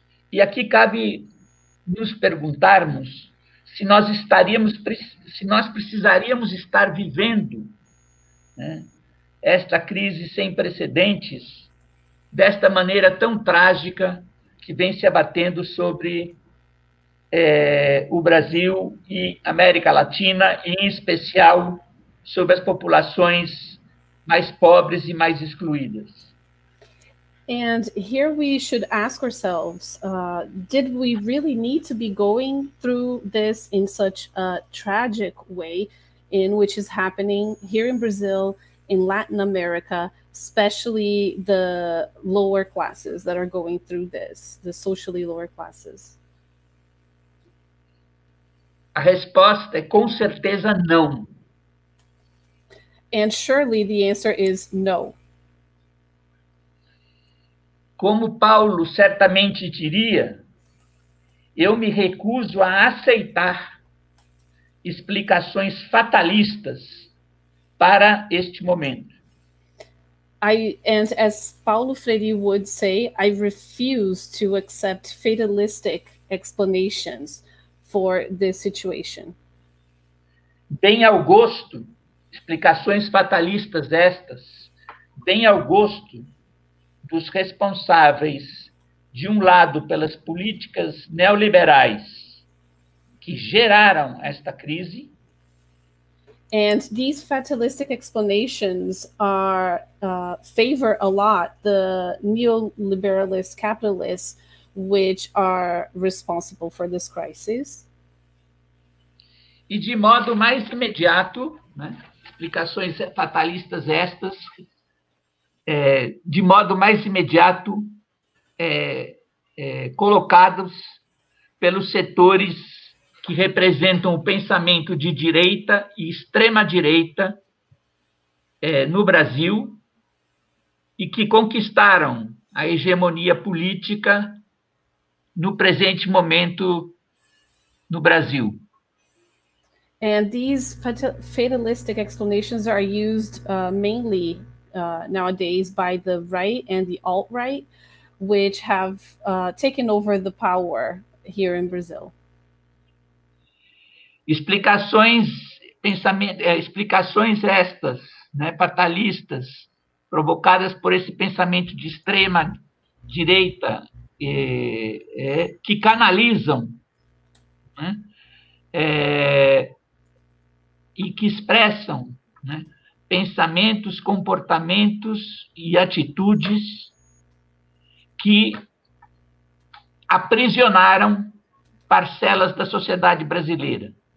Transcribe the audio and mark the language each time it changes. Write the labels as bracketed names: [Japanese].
[Portuguese] E aqui cabe nos perguntarmos se nós precisaríamos estar vivendo, né, esta crise sem precedentes desta maneira tão trágica que vem se abatendo sobre o Brasil e América Latina, em especial sobre as populações mais pobres e mais excluídas. [English] And here we should ask ourselves, did we really need to be going through this in such a tragic way, in which is happening here in Brazil, in Latin America, especially the lower classes that are going through this, the socially lower classes? [Portuguese] A resposta é com certeza não. [English] And surely the answer is no. [Portuguese] Como Paulo certamente diria, eu me recuso a aceitar explicações fatalistas para este momento. [English] And as Paulo Freire would say, I refuse to accept fatalistic explanations for this situation. [Portuguese] Bem ao gosto, explicações fatalistas estas, bem ao gosto dos responsáveis, de um lado, pelas políticas neoliberais que geraram esta crise. [English] And these fatalistic explanations are favor a lot the neoliberalist capitalists, which are responsible for this crisis. [Portuguese] E de modo mais imediato, né, explicações fatalistas estas, de modo mais imediato, colocados pelos setores que representam o pensamento de direita e extrema-direita no Brasil e que conquistaram a hegemonia política no presente momento no Brasil. [English] And these fatalistic explanations are used mainly nowadays by the right and the alt-right, which have taken over the power here in Brazil. [Portuguese] Explicações, explicações estas, né, fatalistas, provocadas por esse pensamento de extrema direita, que canalizam, né, e que expressam, né, pensamentos, comportamentos e atitudes que aprisionaram parcelas da sociedade brasileira.